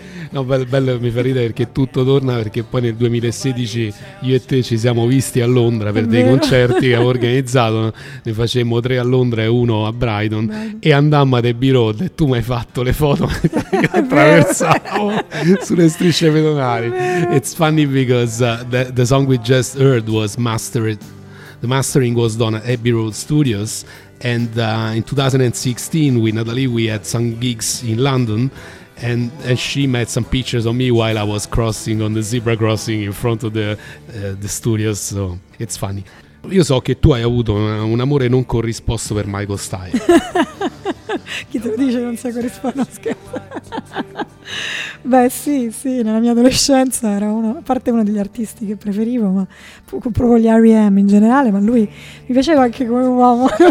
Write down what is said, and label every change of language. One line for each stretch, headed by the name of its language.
Italian: No, bello, mi fa ridere perché tutto torna, perché poi nel 2016 io e te ci siamo visti a Londra per dei concerti che avevo organizzato. Ne facemmo tre a Londra e uno a Brighton. Bello. E andammo ad Abbey Road e tu mi hai fatto le foto che attraversavo sulle strisce pedonali.
English: It's funny because the song we just heard was mastered. The mastering was done at Abbey Road Studios. And in 2016 with Natalie we had some gigs in London. And she made some pictures of me while I was crossing on the zebra crossing in front of the studios, so it's funny.
Italian: Io so che tu hai avuto un amore non corrisposto per Michael Stipe. Chi te lo dice non sa corrispondere? Scherzo. Beh, sì, nella mia adolescenza era uno degli artisti che preferivo, ma proprio gli R.E.M. in generale, ma lui mi piaceva anche come uomo.